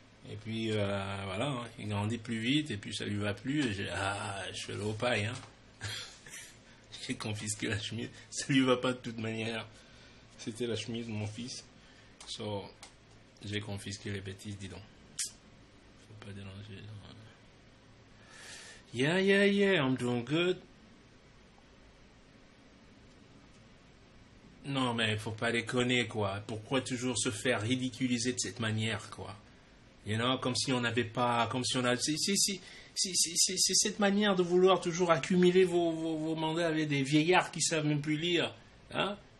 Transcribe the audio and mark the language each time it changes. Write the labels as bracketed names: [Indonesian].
[French] Et puis, voilà, hein, il grandit plus vite, et puis ça lui va plus. Et j'ai, je fais l'opaille, hein. J'ai confisqué la chemise. Ça lui va pas de toute manière. C'était la chemise de mon fils. So, j'ai confisqué les bêtises, dis donc. Faut pas déranger. [English] Yeah, yeah, yeah, I'm doing good. [French] Non, mais faut pas déconner, quoi. Pourquoi toujours se faire ridiculiser de cette manière, quoi? [English] You know, [French] comme si on n'avait pas... Comme si on a... C'est cette manière de vouloir toujours accumuler vos mandats avec des vieillards qui savent même plus lire. Hein?